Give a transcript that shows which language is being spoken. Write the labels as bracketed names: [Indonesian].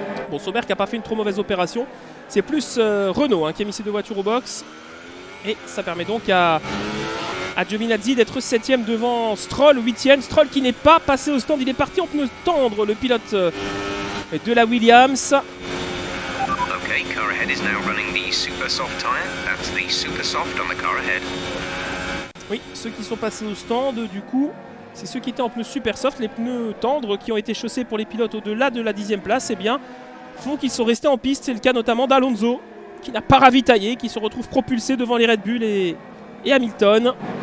[French] Bon, Sauber qui n'a pas fait une trop mauvaise opération. C'est plus Renault qui a mis ses deux voitures au box. Et ça permet donc à Giovinazzi d'être 7ème devant Stroll, 8ème. Stroll qui n'est pas passé au stand. Il est parti en pneu tendre, le pilote de la Williams. [English] Ok, car ahead is now running the super soft tire. That's the super soft on the car ahead. [French] Oui, ceux qui sont passés au stand, du coup, c'est ceux qui étaient en pneus super soft, les pneus tendres qui ont été chaussés pour les pilotes au-delà de la 10ème place. Eh bien, font qu'ils sont restés en piste. C'est le cas notamment d'Alonso, qui n'a pas ravitaillé, qui se retrouve propulsé devant les Red Bull et Hamilton.